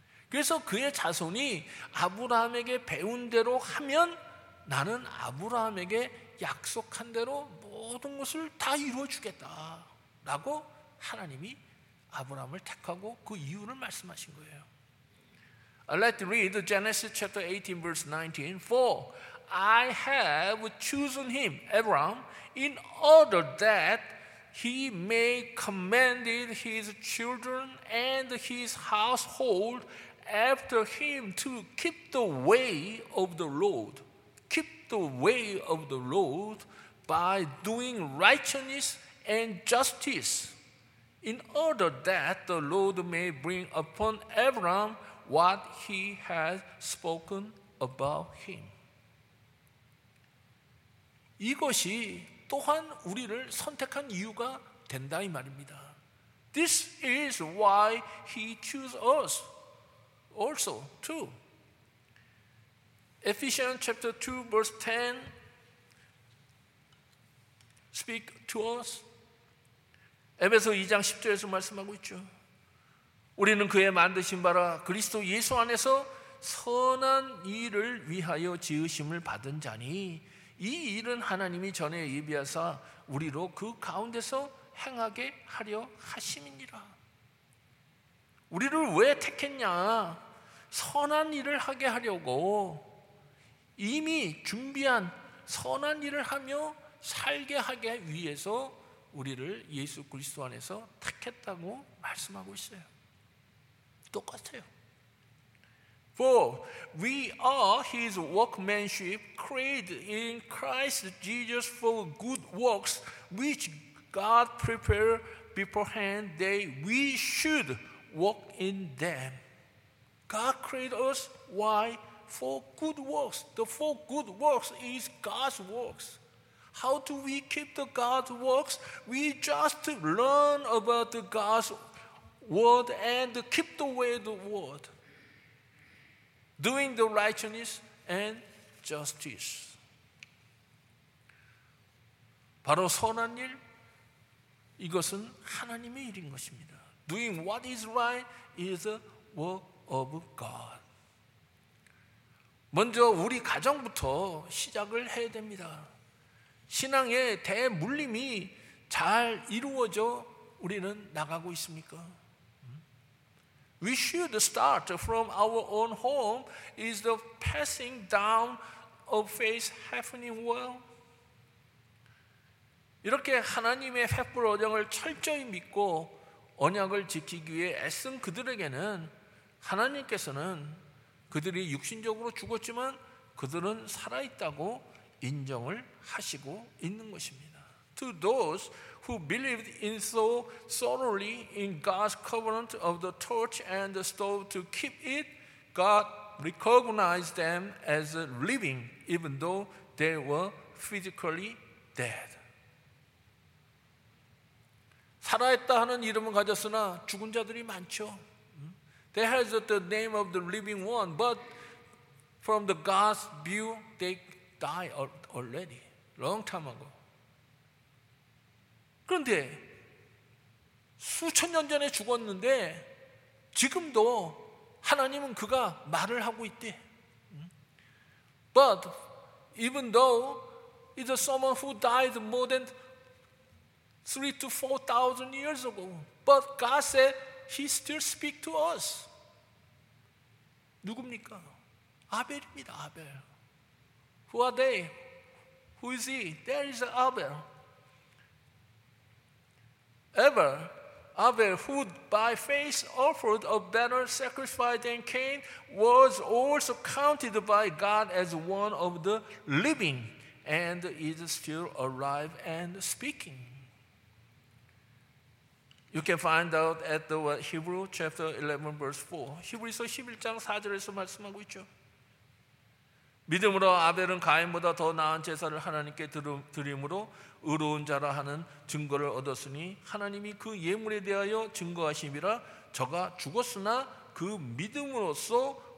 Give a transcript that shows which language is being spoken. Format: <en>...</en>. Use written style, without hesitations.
<ko>그래서 그의 자손이 아브라함에게 배운 대로 하면 나는 아브라함에게 약속한 대로 모든 것을 다 이루어주겠다 라고 하나님이 아브라함을 택하고 그 이유를 말씀하신 거예요.</ko> <en>Let's read Genesis chapter 18 verse 19. For I have chosen him, Abraham, in order that he may command his children and his household after him to keep the way of the Lord. Keep the way of the Lord by doing righteousness and justice. In order that the Lord may bring upon Abraham what he has spoken about him.</en> <ko>이것이 또한 우리를 선택한 이유가 된다 이 말입니다.</ko> <en>This is why he chose us also too. Ephesians chapter 2 verse 10 speak to us.</en> <ko>에베소 2장 10절에서 말씀하고 있죠. 우리는 그의 만드신 바라 그리스도 예수 안에서 선한 일을 위하여 지으심을 받은 자니 이 일은 하나님이 전에 예비하사 우리로 그 가운데서 행하게 하려 하심이니라. 우리를 왜 택했냐? 선한 일을 하게 하려고 이미 준비한 선한 일을 하며 살게 하게 위해서 우리를 예수 그리스도 안에서 택했다고 말씀하고 있어요. 똑같아요.</ko> <en>For we are his workmanship created in Christ Jesus for good works which God prepared beforehand that we should walk in them. God created us, why? For good works. The four good works is God's works. How do we keep the God's works? We just learn about the God's word and keep the way of the word. Doing the righteousness and justice.</en> <ko>바로 선한 일, 이것은 하나님의 일인 것입니다.</ko> <en>Doing what is right is the work of God.</en> <ko>먼저 우리 가정부터 시작을 해야 됩니다. 신앙의 대물림이 잘 이루어져 우리는 나가고 있습니까?</ko> <en>We should start from our own home is the passing down of faith happening well.</en> <ko>이렇게 하나님의 횃불 언약을 철저히 믿고 언약을 지키기 위해 애쓴 그들에게는 하나님께서는 그들이 육신적으로 죽었지만 그들은 살아있다고 인정을 하시고 있는 것입니다.</ko> <en>To those who believed in so thoroughly in God's covenant of the torch and the stove to keep it, God recognized them as living even though they were physically dead.</en> <ko>살아있다 하는 이름을 가졌으나 죽은 자들이 많죠.</ko> <en>They had the name of the living one, but from the God's view, they died already, long time ago.</en> <ko>그런데 수천 년 전에 죽었는데 지금도 하나님은 그가 말을 하고 있대.</ko> <en>But even though it's someone who died more than 3,000 to 4,000 years ago, but God said he still speak to us.</en> <ko>누굽니까? 아벨입니다, 아벨.</ko> <en>Who are they? Who is he? There is Abel. Abel, who by faith offered a better sacrifice than Cain, was also counted by God as one of the living and is still alive and speaking. You can find out at the Hebrew chapter 11 verse 4.</en> <ko>히브리서 11장 4절에서 말씀하고 있죠. 믿음으로 아벨은 가인보다 더 나은 제사를 하나님께 드림으로 의로운 자라 하는 증거를 얻었으니 하나님이 그 예물에 대하여 증거하심이라 저가 죽었으나 그 믿음으로써</ko>